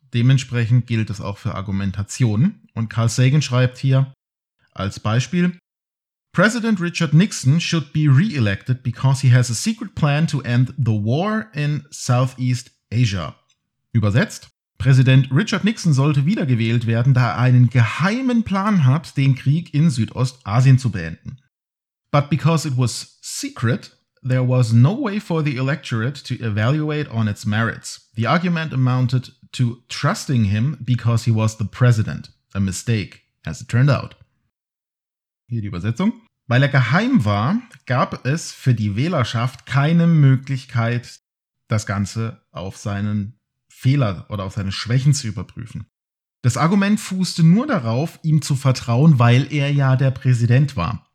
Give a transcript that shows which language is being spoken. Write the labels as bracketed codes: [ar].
[de] Dementsprechend gilt es auch für Argumentationen. Und Carl Sagan schreibt hier als Beispiel: [en] President Richard Nixon should be re-elected because he has a secret plan to end the war in Southeast Asia. [de] Übersetzt: Präsident Richard Nixon sollte wiedergewählt werden, da er einen geheimen Plan hat, den Krieg in Südostasien zu beenden. [en] But because it was secret, there was no way for the electorate to evaluate on its merits. The argument amounted to trusting him because he was the president. A mistake, as it turned out. [de] Hier die Übersetzung. Weil er geheim war, gab es für die Wählerschaft keine Möglichkeit, das Ganze auf seinen Fehler oder auf seine Schwächen zu überprüfen. Das Argument fußte nur darauf, ihm zu vertrauen, weil er ja der Präsident war.